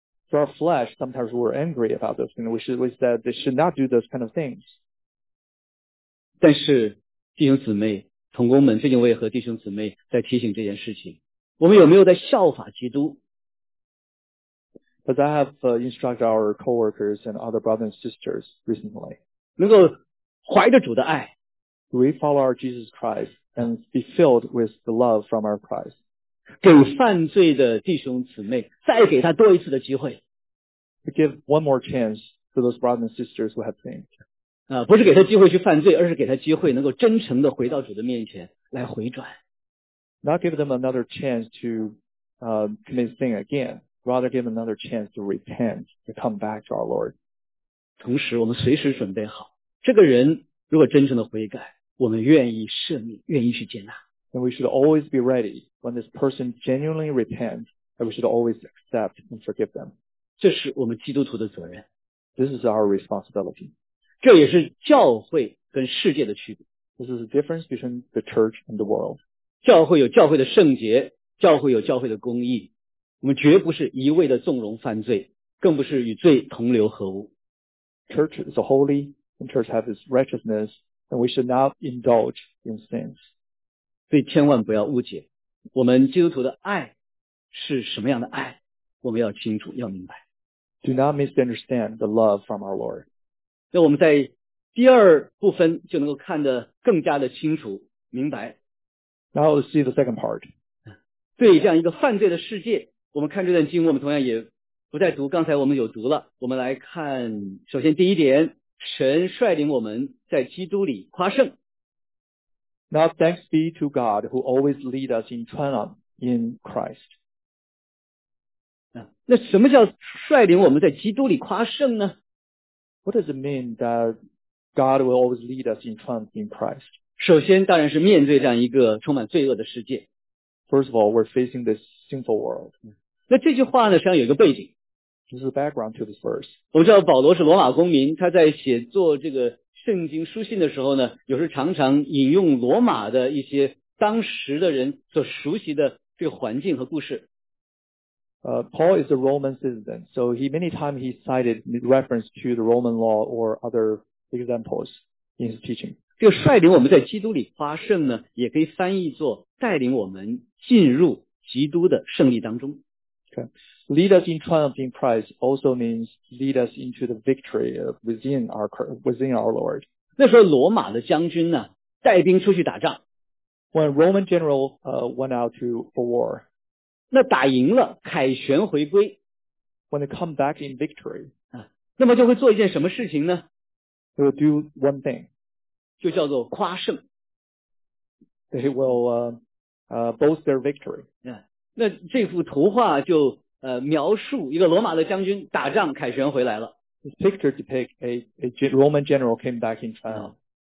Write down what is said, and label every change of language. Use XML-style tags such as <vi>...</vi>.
<en>For our flesh, sometimes we're angry about those things. We said they should not do those kind of things.</en> <zh>但是弟兄姊妹，同工们，最近我也和弟兄姊妹在提醒这件事情。我们有没有在效法基督？</zh> <en>But I have instructed our co-workers and other brothers and sisters recently.</en> <zh>能够怀着主的爱。</zh> <en>We follow our Jesus Christ and be filled with the love from our Christ.</en> <zh>给犯罪的弟兄姊妹再给他多一次的机会。</zh> <en>We give one more chance to those brothers and sisters who have sinned.</en> <zh>不是给他机会去犯罪，而是给他机会能够真诚地回到主的面前来回转。</zh> <en>Not give them another chance to commit sin again, rather give them another chance to repent, to come back to our Lord.</en> <zh>同时我们随时准备好，这个人如果真诚地悔改，我们愿意赦免，愿意去接纳。</zh> <en>And we should always be ready when this person genuinely repents, that we should always accept and forgive them.</en> <zh>这是我们基督徒的责任。</zh> <en>This is our responsibility.</en> <zh>这也是教会跟世界的区别。</zh> <en>This is the difference between the church and the world.</en> <zh>教会有教会的圣洁，教会有教会的公义。我们绝不是一味的纵容犯罪，更不是与罪同流合污。</zh> <en>Church is a holy, and church has its righteousness, and we should not indulge in sins.</en> <zh>所以千万不要误解，我们基督徒的爱是什么样的爱，我们要清楚，要明白。</zh> <en>Do not misunderstand the love from our Lord.</en> <zh>那我们在第二部分就能够看得更加的清楚，明白。</zh> <en>Now let's see the second part.</en> <zh>对于这样一个犯罪的世界，我们看这段经，我们同样也不再读，刚才我们有读了。我们来看，首先第一点，神率领我们在基督里夸胜。</zh> <en>Now thanks be to God who always lead us in triumph in Christ.</en> <zh>那什么叫率领我们在基督里夸胜呢？</zh> <en>What does it mean that God will always lead us in triumph in Christ?</en> <zh>首先当然是面对这样一个充满罪恶的世界。</zh> <en>First of all, we're facing this sinful world.</en> <zh>那这句话呢，实际上有一个背景。</zh> <en>This is the background to this verse.</en> <zh>我们知道保罗是罗马公民，他在写作这个圣经书信的时候呢，有时常常引用罗马的一些当时的人所熟悉的这个环境和故事。</zh> <en>Paul is a Roman citizen, so he many times he cited reference to the Roman law or other examples in his teaching.</en> <zh>这个率领我们在基督里夸胜呢，也可以翻译作带领我们进入基督的胜利当中。</zh> <en>Okay. Lead us in triumph in Christ also means lead us into the victory within our Lord.</en> <zh>那时候罗马的将军呢，带兵出去打仗。</zh> <en>When a Roman general went out for war.</en> <zh>那打赢了，凯旋回归。</zh> <en>When they come back in victory.</en> <zh>那么就会做一件什么事情呢？</zh> <en>They will do one thing.</en> <zh>就叫做夸胜。</zh> <en>They will boast their victory. Yeah.</en> <zh>那这幅图画就描述一个罗马的将军打仗凯旋回来了。</zh> <en>This picture depicts a Roman general came back in triumph.</en>